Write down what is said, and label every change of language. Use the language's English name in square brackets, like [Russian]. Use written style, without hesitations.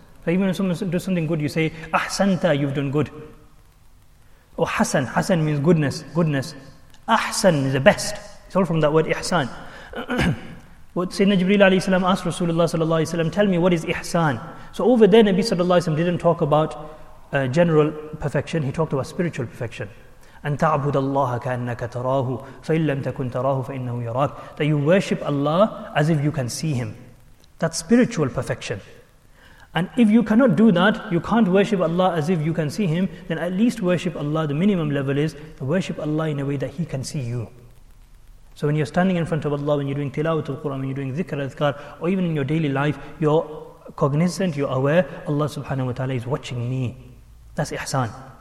[English] So even if someone does something good, you say, [Arabic] أَحْسَنْتَ, [English] you've done good. Or حَسَن, حَسَن means goodness, goodness. أَحْسَن is the best. It's all from that word ihsan. What Sayyidina Jibreel alayhi salam asked Rasulullah sallallahu alayhi salam, tell me what is ihsan. So over there Nabi sallallahu alayhi salam didn't talk about general perfection, he talked about spiritual perfection. [Arabic] أن تعبد الله كأنك تراه فإن لم تكن تراه فإنه يراك. [English] That you worship Allah as if you can see Him. That's spiritual perfection. And if you cannot do that, you can't worship Allah as if you can see Him, then at least worship Allah, the minimum level is to worship Allah in a way that He can see you. So when you're standing in front of Allah, when you're doing tilawat al-Quran, when you're doing dhikr al-adhkar, or even in your daily life, you're cognizant, you're aware, Allah subhanahu wa ta'ala is watching me. That's ihsan.